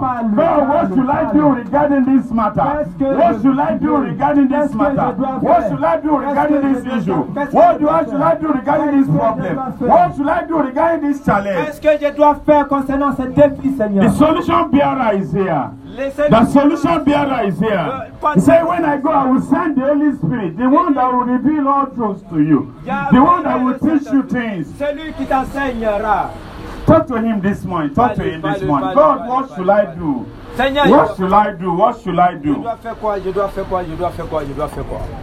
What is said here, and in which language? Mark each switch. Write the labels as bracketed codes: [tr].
[en] God, what should I do regarding this matter? What should I do regarding this matter? What should I do regarding this issue? What should I do regarding this problem? What should I do regarding this challenge? [fr] Qu'est-ce que je dois faire concernant ce défi, Seigneur? [en] The solution bearer is here. The solution bearer is here. He said, when I go, I will send the Holy Spirit, the one that will reveal all truths to you, the one that will teach you things. Talk to him this morning. Talk to him this morning. God, what should I do? What should I do? What should I do?